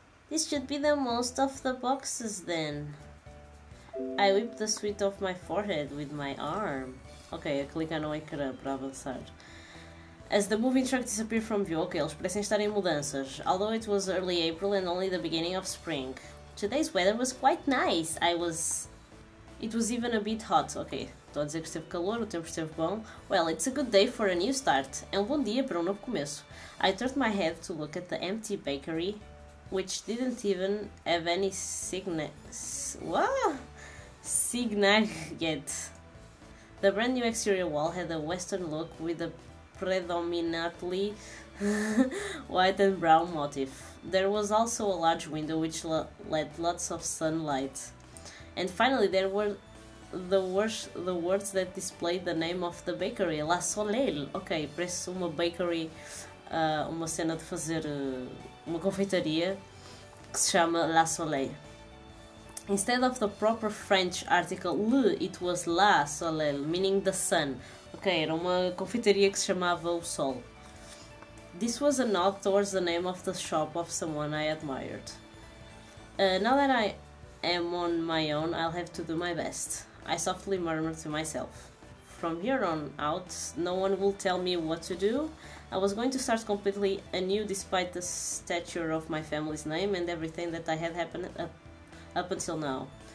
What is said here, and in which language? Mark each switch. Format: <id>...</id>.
<en>This should be the most of the boxes then. I wipe the sweat off my forehead with my arm.</en> <pt>Ok, a clicar no ecrã para avançar.</pt> <en>As the moving truck disappear from view,</en> <pt>ok, eles parecem estar em mudanças.</pt> <en>Although it was early April and only the beginning of spring. Today's weather was quite nice. It was even a bit hot.</en> <pt>Ok, estou a dizer que esteve calor, o tempo esteve bom.</pt> <en>Well, it's a good day for a new start.</en> <pt>É um bom dia para um novo começo.</pt> <en>I turned my head to look at the empty bakery, which didn't even have any signage yet. The brand new exterior wall had a western look with a predominantly white and brown motif. There was also a large window which let lots of sunlight. And finally, there were the words that displayed the name of the bakery, La Soleil.</en> <pt>Ok, parece uma bakery. Uma cena de fazer uma confeitaria que se chama La Soleil.</pt> <en>Instead of the proper French article Le, it was La Soleil, meaning the sun.</en> <pt>Ok, era uma confeitaria que se chamava O Sol.</pt> <en>This was a nod towards the name of the shop of someone I admired. Now that I am on my own, I'll have to do my best. I softly murmured to myself. From here on out, no one will tell me what to do. I was going to start completely anew despite the stature of my family's name and everything that I had happened up until now.</en>